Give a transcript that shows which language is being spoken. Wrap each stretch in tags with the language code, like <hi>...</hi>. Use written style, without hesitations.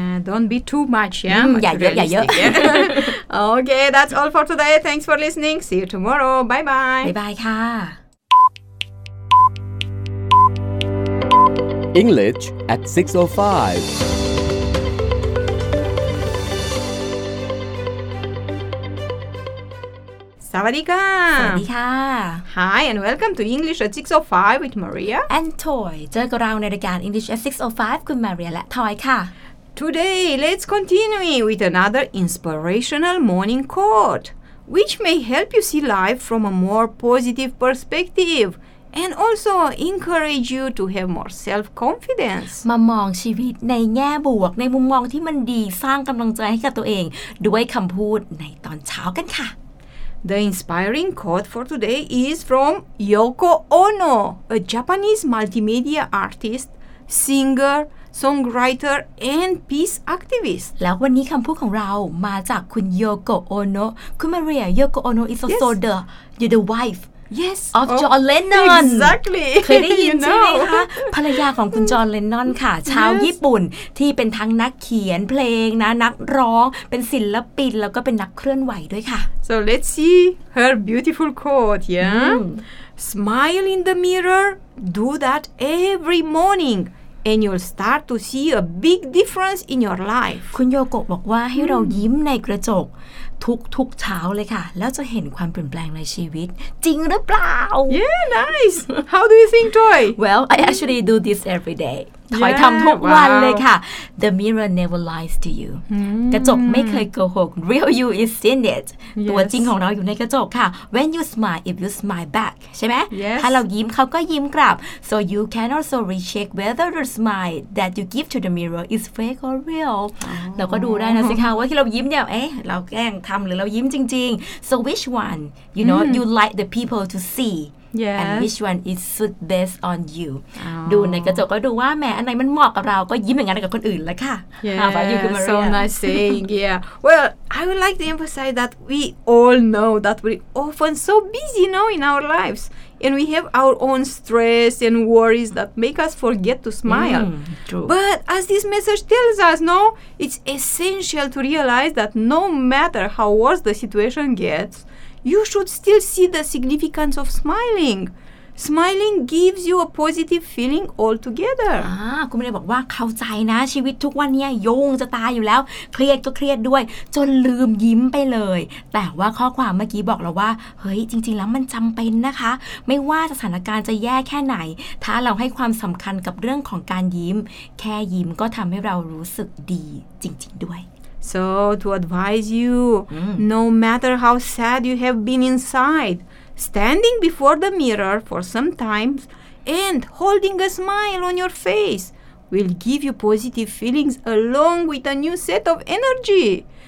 <en>Don't be too much, yeah.</en> <th>อย่าเยอะ</th> <en>Okay, that's all for today. Thanks for listening. See you tomorrow. Bye bye. Bye bye ค่ะ English at 6:05.</en> <th>Sawadika. Sawadika.</th> <en>Hi and welcome to English at 6:05 with Maria and Toy.</en> <th>เจอกับเราในรายการ English at 6:05 คุณ Maria และ Toy ค่ะ</th> <en>Today let's continue with another inspirational morning quote, which may help you see life from a more positive perspective. And also encourage you to have more self-confidence.</en> <th>มามองชีวิตในแง่บวกในมุมมองที่มันดีสร้างกำลังใจให้กับตัวเองด้วยคำพูดในตอนเช้ากันค่ะ</th> <en>The inspiring quote for today is from Yoko Ono, a Japanese multimedia artist, singer, songwriter, and peace activist.</en> <th>แล้ววันนี้คำพูดของเรามาจากคุณ Yoko Ono.</th> <en>คุณ Maria, Yoko Ono is also the wife. Yes, of John Lennon. Exactly.</en> <th>เคยได้ยินใช่ไหมคะภรรยาของคุณ John Lennon ค่ะชาวญี่ปุ่นที่เป็นทั้งนักเขียนเพลงนะนักร้องเป็นศิลปินแล้วก็เป็นนักเคลื่อนไหวด้วยค่ะ</th> <en>So let's see her beautiful quote. Yeah. Smile in the mirror. Do that every morning. And you'll start to see a big difference in your life.</en> <th>คุณโยโกะบอกว่าให้เรายิ้มในกระจกทุกเช้าเลยค่ะแล้วจะเห็นความเปลี่ยนแปลงในชีวิตจริงหรือเปล่า</th> <en>Yeah, nice. How do you think, Toy? Well, I actually do this every day. Toy</en> <th>ทำทุกวันเลยค่ะ</th> <en>The mirror never lies to you.</en> <th>กระจกไม่เคยโกหก</th> <en>Real you is in it. Yes.</en> <th>ตัวจริงของเราอยู่ในกระจกค่ะ</th> <en>When you smile, if you smile back,</en> <th>ใช่ไหม</th> <en>Yes.</en> <th>ถ้าเรายิ้มเขาก็ยิ้มกลับ</th> <en>So you can also recheck whether the smile that you give to the mirror is fake or real.</en> <th>เราก็ดูได้นะสิคะว่าที่เรายิ้มเนี่ยเอ๊ะเราแกล้งทำหรือเรายิ้มจริงๆ</th> <en>So which one, you know, you like the people to see? Yes. And which one is suit best on you?</en> <th>ดูในกระจกก็ดูว่าแหมอันไหนมันเหมาะกับเราก็ยิ้มอย่างนั้นกับคนอื่นแล้วค่ะ</th> <en>Yeah, how about you, so nice saying, yeah. Well, I would like to emphasize that we all know that we're often so busy, you know, in our lives. And we have our own stress and worries that make us forget to smile. True. But as this message tells us, no, it's essential to realize that no matter how worse the situation gets,You should still see the significance of smiling. Smiling gives you a positive feeling altogether.</en> <th>คุณไม่ได้บอกว่าเข้าใจนะชีวิตทุกวันนี้โยงจะตายอยู่แล้วเครียดก็เครียดด้วยจนลืมยิ้มไปเลยแต่ว่าข้อความเมื่อกี้บอกเราว่าเฮ้ยจริงๆแล้วมันจำเป็นนะคะไม่ว่าสถานการณ์จะแย่แค่ไหนถ้าเราให้ความสำคัญกับเรื่องของการยิ้มแค่ยิ้มก็ทำให้เรารู้สึกดีจริงๆด้วย</th> <en>So, to advise you, no matter how sad you have been inside, standing before the mirror for some time and holding a smile on your face will give you positive feelings along with a new set of energy.</en>